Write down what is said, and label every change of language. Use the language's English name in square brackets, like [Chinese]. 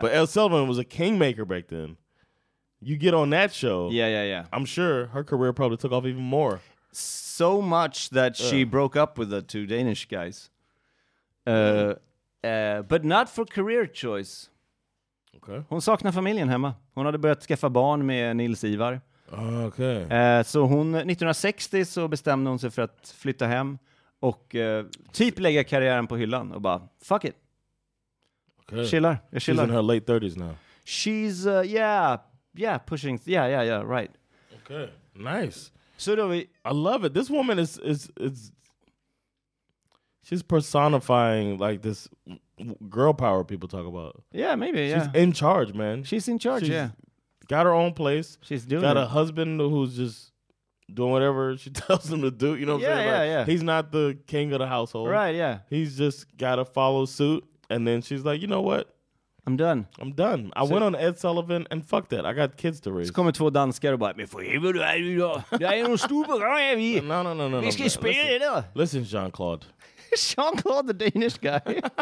[English] But Elle Sullivan was a kingmaker back then. You get on that show. Yeah, yeah, yeah. I'm sure her career probably took off even more. So much that she broke up with the two Danish guys. But not for career choice. Okay. [Swedish] Hon saknar familjen hemma. Hon hade börjat skaffa barn med Nils Ivar. [English] Okay. [Swedish] Så hon 1960 så bestämde hon sig för att flytta hem och typ lägga karriären på hyllan och bara [English] fuck it. Okay. [Swedish] Chillar. Jag chillar. [English] She's in her late 30s now. She's yeah, pushing. Yeah, yeah, yeah, right. Okay. Nice. So do we, I love it. This woman is she's personifying like this girl power people talk about. Yeah, maybe, she's yeah. She's in charge, man. She's in charge, she's, yeah. Got her own place. She's doing got it. A husband who's just doing whatever she tells him to do. You know what yeah, I'm saying? Yeah, like, yeah, yeah. He's not the king of the household. Right, yeah. He's just got to follow suit. And then she's like, you know what? I'm done. So I went on Ed Sullivan and fuck that. I got kids to raise. [Swedish] Så kommer två danskar och bara, men för helvete, jag är någon stor på gången vi. [English] No. [Swedish] Vi ska spela det då. [English] Listen, Jean-Claude. Jean-Claude, the Danish guy.